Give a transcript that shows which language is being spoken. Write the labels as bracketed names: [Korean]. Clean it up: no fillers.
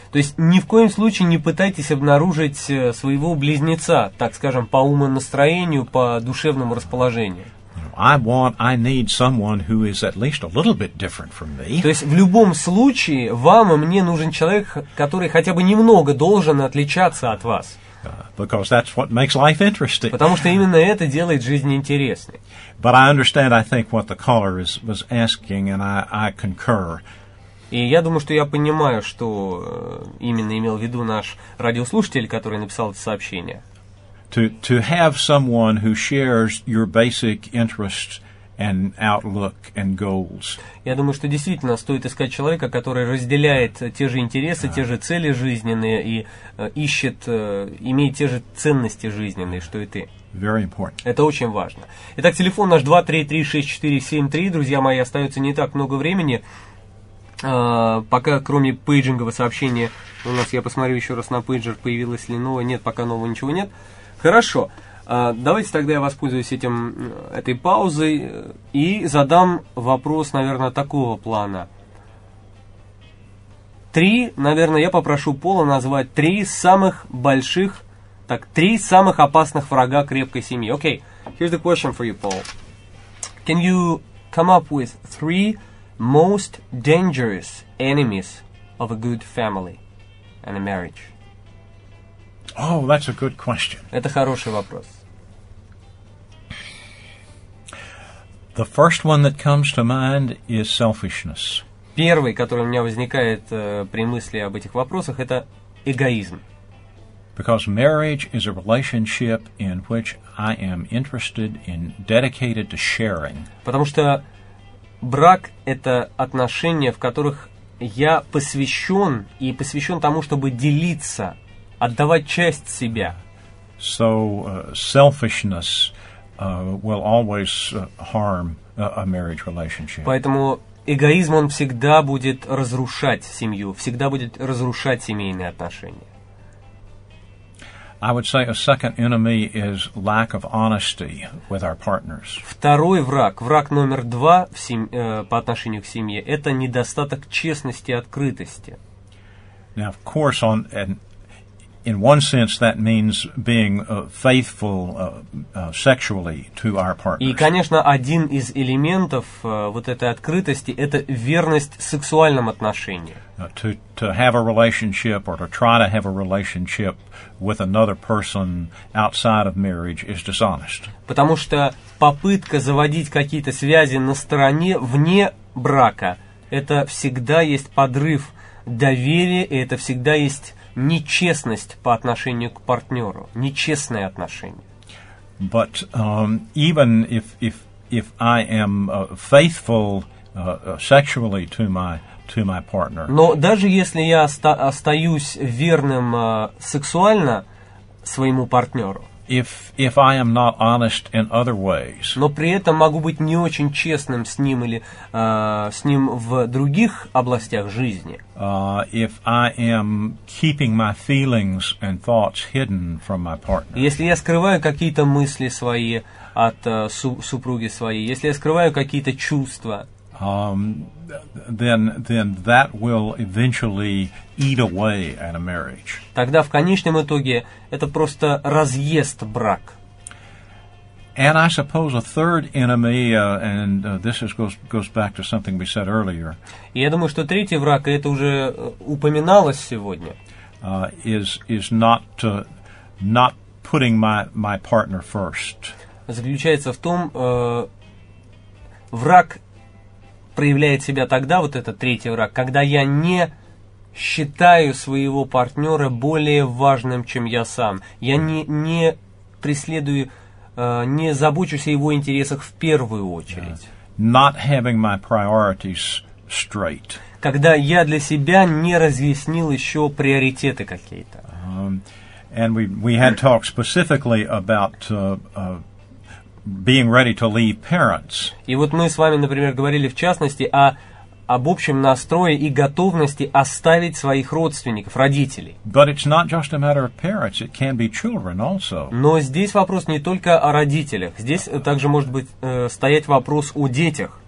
[Russian] То есть ни в коем случае не пытайтесь обнаружить своего близнеца, так скажем, по умонастроению, по душевному расположению. [English] I need someone who is at least a little bit different from me. [Russian] То есть в любом случае вам и мне нужен человек, который хотя бы немного должен отличаться от вас. [English] Because that's what makes life interesting. [Russian] Потому что именно это делает жизнь интересной. [English] But I understand, I think, what the caller was asking, and I concur. [Russian] И я думаю, что я понимаю, что именно имел в виду наш радиослушатель, который написал это сообщение. [English] To have someone who shares your basic interests and outlook and goals. [Russian] Я думаю, что действительно стоит искать человека, который разделяет те же интересы, те же цели жизненные и ищет, имеет те же ценности жизненные, что и ты. [English] Very important. [Russian] Это очень важно. Итак, телефон наш 233-6473. Друзья мои, остается не так много времени. Пока, кроме пейджингового сообщения, у нас, я посмотрю еще раз на пейджер, появилось ли новое. Нет, пока нового ничего нет. Хорошо. Давайте тогда я воспользуюсь этой паузой и задам вопрос, наверное, такого плана. Я попрошу Пола назвать три самых опасных врага крепкой семьи. [English] Okay, here's the question for you, Paul. Can you come up with three most dangerous enemies of a good family and a marriage? Oh, that's a good question. [Russian] Это хороший вопрос. [English] The first one that comes to mind is selfishness. [Russian] Первый, который у меня возникает при мысли об этих вопросах, это эгоизм. [English] Because marriage is a relationship in which I am interested in, dedicated to sharing. [Russian] Потому что брак — это отношения, в которых я посвящен и посвящен тому, чтобы делиться, отдавать часть себя. [English] So selfishness will always harm a marriage relationship. [Russian] Поэтому эгоизм, он всегда будет разрушать семью, всегда будет разрушать семейные отношения. [English] I would say a second enemy is lack of honesty with our partners. [Russian] Второй враг номер два по отношению к семье, это недостаток честности, открытости. [English] Now, of course, on an In one sense, that means being faithful sexually to our partners. [Russian] И, конечно, один из элементов вот этой открытости – это верность сексуальным отношениям. [English] To have a relationship or to try to have a relationship with another person outside of marriage is dishonest. [Russian] Потому что попытка заводить какие-то связи на стороне вне брака – это всегда есть подрыв доверия, и это всегда есть нечестность по отношению к партнеру, нечестное отношение. [English] But even if I am faithful sexually to my partner. [Russian] Но даже если я остаюсь верным сексуально своему партнеру. [English] If I am not honest in other ways. [Russian] Но при этом могу быть не очень честным с ним или с ним в других областях жизни. [English] If I am keeping my feelings and thoughts hidden from my partner. [Russian] Если я скрываю какие-то мысли свои от супруги своей, если я скрываю какие-то чувства. [English] Then that will eventually eat away at a marriage. [Russian] Тогда в конечном итоге это просто разъест брак. [English] And I suppose a third enemy, and this goes back to something we said earlier. [Russian] И я думаю, что третий враг, и это уже упоминалось сегодня. [English] Is not putting my partner first. [Russian] Заключается в том, враг проявляет себя тогда, вот этот третий враг, когда я не считаю своего партнера более важным, чем я сам. Я не преследую, не забочусь о его интересах в первую очередь. Yeah. [English] Not having my priorities straight. [Russian] Когда я для себя не разъяснил еще приоритеты какие-то. [English] And we had talked specifically about being ready to leave parents. [Russian] И вот мы с вами, например, говорили в частности об общем настрое и готовности оставить своих родственников, родителей. [English] But it's not just a matter of parents, it can be children also. [Russian] Но здесь вопрос не только о родителях. Здесь также может быть стоять вопрос о детях.